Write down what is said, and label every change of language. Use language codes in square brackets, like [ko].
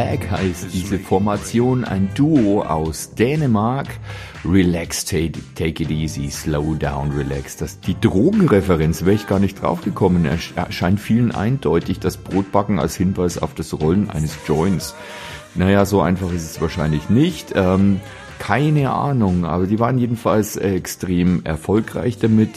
[de] Heißt diese Formation ein Duo aus Dänemark. [en] Relax, take it easy, slow down, relax. [de] Das, die Drogenreferenz wäre ich gar nicht drauf gekommen. Erscheint vielen eindeutig, das Brotbacken als Hinweis auf das Rollen eines Joints. Naja, so einfach ist es wahrscheinlich nicht. Keine Ahnung, aber die waren jedenfalls extrem erfolgreich damit.